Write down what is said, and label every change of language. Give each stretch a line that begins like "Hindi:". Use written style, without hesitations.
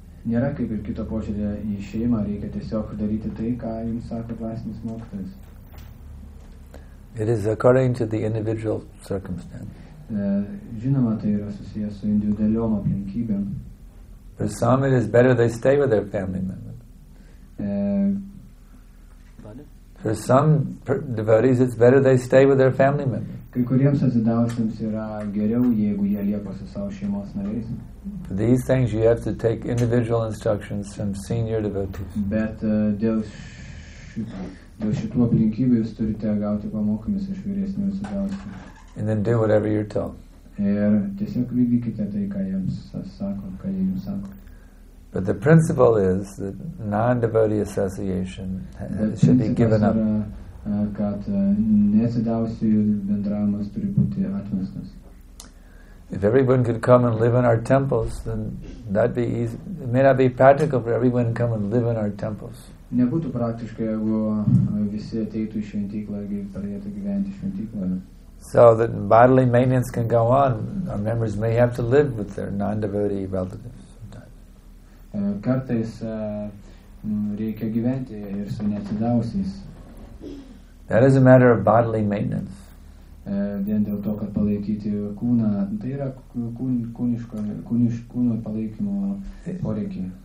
Lithuanian: Nėra kaip ir kito požiūrė į šeimą, reikia tiesiog daryti tai, ką jums sako dvasinis mokytojas.
English: It is according to the individual circumstance.
Lithuanian: Žinoma, tai yra susijęs su individualiom aplinkybėm.
English: For some it is better they stay with their family members. For some devotees, it's better they stay with their family members.
Lithuanian: Kai kuriems atsidavusiems yra geriau, jeigu jie lieka su savo šeimos nariais.
English: For these things, you have to take individual instructions from senior devotees.
Lithuanian: Bet dėl šitų aplinkybių jūs turite gauti pamokymus iš vyresnių atsidavusių.
English: And then do whatever you're told.
Lithuanian: Ir tiesiog vykdykite tai, ką jiems sako, ką jie jums sako.
English: But the principle is that non-devotee association should be given up.
Lithuanian: Kad nesidavusių bendravimas turi būti atmestas.
English: If everyone could come and live in our temples, then that'd be easy. It may not be practical for everyone to come and live in our temples.
Lithuanian: Nebūtų praktiška, jeigu visi ateitų į šventyklą ir pradėtų gyventi šventykloje.
English: So that bodily maintenance can go on, our members may have to live with their non-devotee relatives.
Lithuanian: Kartais reikia gyventi ir su neatsidavusiais.
English: That is a matter of bodily maintenance.
Lithuanian: vien dėl to, kad palaikyti kūną, tai yra kūno palaikymo poreikį.